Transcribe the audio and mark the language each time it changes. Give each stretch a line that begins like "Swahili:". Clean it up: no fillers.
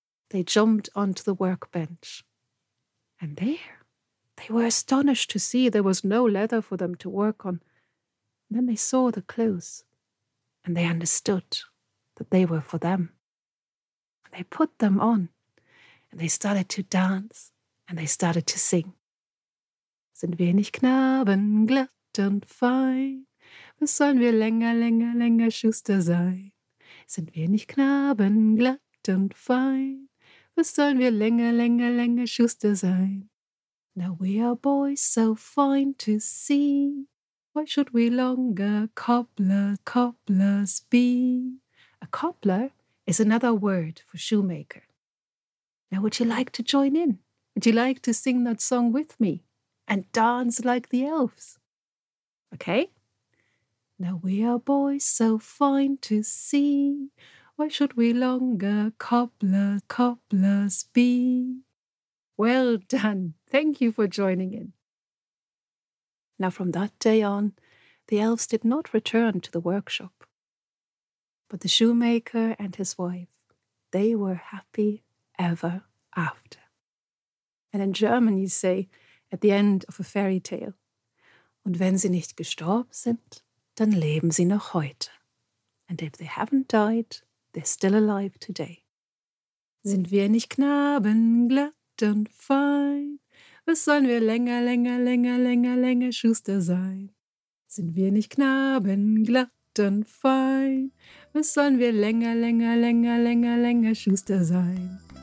English: They jumped onto the workbench. And there, they were astonished to see there was no leather for them to work on. And then they saw the clothes, and they understood that they were for them. And they put them on, and they started to dance, and they started to sing.
German: Sind wir nicht Knaben glatt und fein? Was sollen wir länger, länger, länger Schuster sein? Sind wir nicht Knaben glatt und fein? Was sollen wir länger, länger, länger Schuster sein?
English: Now we are boys so fine to see. Why should we longer cobblers, cobblers be? A cobbler is another word for shoemaker. Now would you like to join in? Would you like to sing that song with me and dance like the elves? Okay? Now we are boys so fine to see. Why should we longer cobblers, cobblers be? Well done. Thank you for joining in. Now from that day on, the elves did not return to the workshop. But the shoemaker and his wife, they were happy ever after. And in German you say, at the end of a fairy tale,
German: und wenn sie nicht gestorben sind, dann leben sie noch heute.
English: And if they haven't died, they're still alive today.
German: Sind wir nicht Knaben glatt und fein? Was sollen wir länger, länger, länger, länger, länger Schuster sein? Sind wir nicht Knaben glatt und fein? Was sollen wir länger, länger, länger, länger, länger Schuster sein?